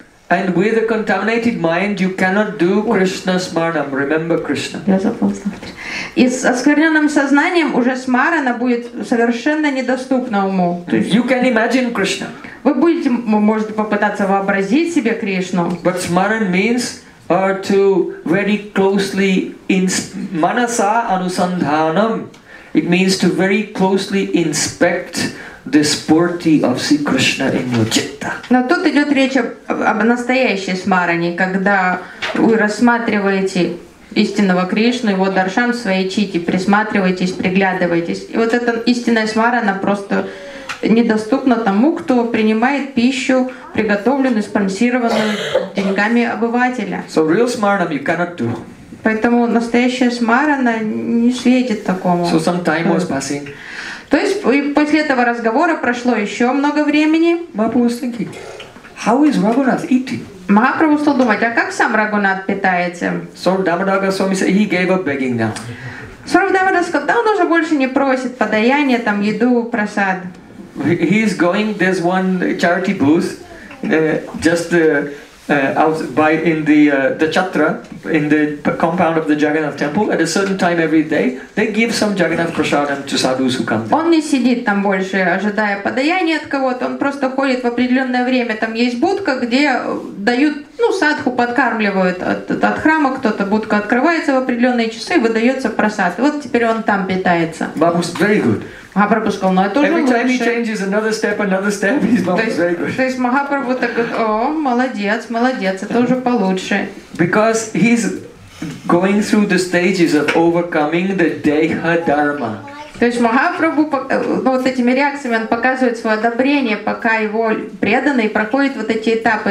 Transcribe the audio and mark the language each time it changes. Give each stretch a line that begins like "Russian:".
English: And with a contaminated mind, you cannot do Krishna smaranam. Remember Krishna.
Russian: Я запомнил. И с оскверненным сознанием уже смарана будет совершенно недоступна уму.
English: You can imagine Krishna.
Russian: Вы будете, можете попытаться вообразить себе Кришну.
English: But smaran means to very closely manasa anusandhanam. It means to very closely inspect the sporty of Sri Krishna in your chitta.
Russian: Но тут идет речь об настоящей смаране, когда вы рассматриваете истинного Кришну, его даршан в своей чите, присматриваетесь, приглядываетесь. И вот эта истинная смарана просто недоступна тому, кто принимает пищу, приготовленную, спонсированную деньгами обывателя.
English: So real smaranam you cannot do.
Russian: Поэтому настоящая смарана не светит такому.
English: So some time was passing.
Russian: То есть после этого разговора прошло еще много времени.
English: How is Raghunath eating?
Russian: Махапрабху стал думать, а как сам Рагунат питается?
English: So Дамодара Свами said he gave up begging now.
Russian: Сурабхадра сказал, да, он уже больше не просит подаяния, там еду, просад.
English: He is going, there's one charity booth, just out by in the chatra, in the compound of the Jagannath temple, at a certain time every day, they give some Jagannath prasadam to sadhus who come there.
Russian: Он не сидит там больше, ожидая подаяния от кого-то. Он просто ходит в определенное время. Там есть будка, где дают, ну, садху подкармливают от храма кто-то. Будка открывается в определенные часы, выдается прасад. Вот теперь он там питается.
English: Бабус, very good.
Russian: Махапрабху сказал, ну это уже лучше.
English: Every time he changes another step, he's very good.
Russian: То есть Махапрабху так говорит, о, молодец, молодец, это уже получше.
English: Because he's going through the stages of overcoming the deha dharma.
Russian: То есть Махапрабху, ну, вот этими реакциями он показывает свое одобрение, пока его преданный проходит вот эти этапы.